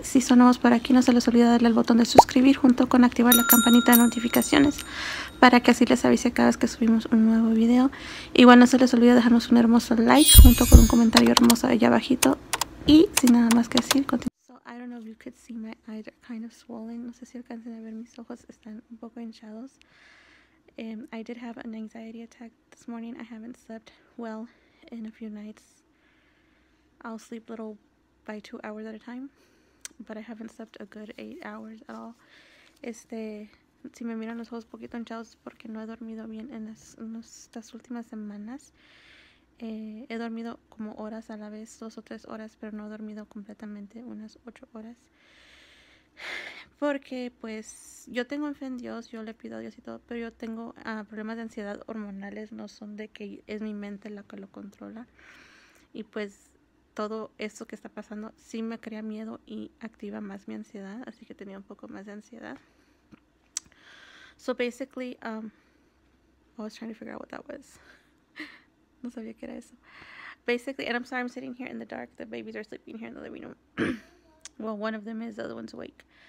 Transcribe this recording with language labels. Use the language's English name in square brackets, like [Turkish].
[Spanish] Si son nuevos por aquí, no se les olvide darle al botón de suscribir junto con activar la campanita de notificaciones para que así les avise cada vez que subimos un nuevo video. Igual no se les olvide dejarnos un hermoso like junto con un comentario hermoso allá abajito. Y sin nada más que decir, continuamos. [English] So, I don't know if you could see my eyes are kind of swollen. [Spanish] No sé si alcancen a ver mis ojos, están un poco hinchados. [English] I did have an anxiety attack this morning. I haven't slept well in a few nights. I'll sleep little by 2 hours at a time, but I haven't slept a good 8 hours at all. [Spanish] Si me miran los ojos poquito hinchados, porque no he dormido bien en estas últimas semanas. He dormido como horas a la vez, 2 o 3 horas, pero no he dormido completamente, unas 8 horas. Porque pues yo tengo fe en Dios, yo le pido a Dios y todo, pero yo tengo problemas de ansiedad hormonales, no son de que es mi mente la que lo controla. Y pues todo esto que está pasando sí me crea miedo y activa más mi ansiedad, así que tenía un poco más de ansiedad. [English] So basically, I was trying to figure out what that was. [Spanish] No sabía qué era eso. [English] Basically, and I'm sorry, I'm sitting here in the dark. The babies are sleeping here in the living room. Well, one of them is, the other one's awake.